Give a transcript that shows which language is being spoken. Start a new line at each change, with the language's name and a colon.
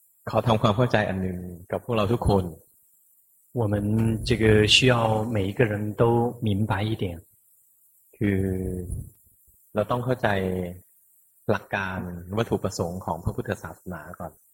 Thai: ขอทำความเข้าใจอันหนึ่งกับพวกเราทุกคน
Chinese: 我们这个需要每一个人都明白一点
Thai: คือเราต้องเข้าใจหลักการวัตถุประสงค์ของพระพุทธศาสนาก่อน